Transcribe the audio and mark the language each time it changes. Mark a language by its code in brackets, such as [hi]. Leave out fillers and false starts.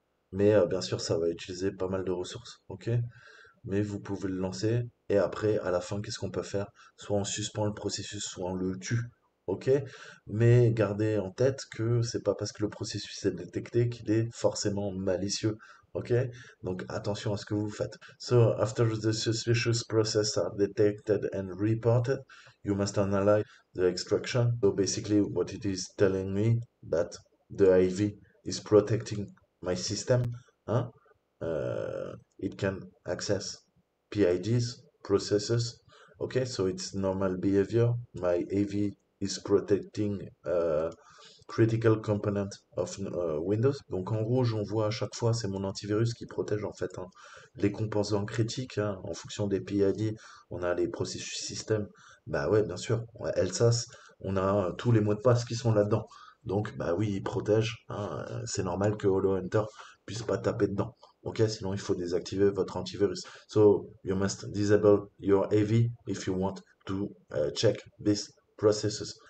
[fr] Mais bien sûr, ça va utiliser pas mal de ressources, ok? Mais vous pouvez le lancer, et après, à la fin, qu'est-ce qu'on peut faire? Soit on suspend le processus, soit on le tue, ok? Mais gardez en tête que c'est pas parce que le processus est détecté qu'il est forcément malicieux, ok? Donc attention à ce que vous faites. [en] So, after the suspicious process are detected and reported, you must analyze the extraction. So basically, what it is telling me, that the IV is protecting my system, hein? It can access PIDs, processes. Okay, so it's normal behavior. My AV is protecting critical component of Windows. [fr] Donc en rouge, on voit à chaque fois, c'est mon antivirus qui protège en fait, hein, les composants critiques. Hein, en fonction des PID, on a les processus système. Bah ouais, bien sûr. Elsas, on a tous les mots de passe qui sont là-dedans. Donc, bah oui, il protège, hein. C'est normal que HoloHunter puisse pas taper dedans. Ok, sinon il faut désactiver votre antivirus. [en] So, you must disable your AV if you want to check this processes.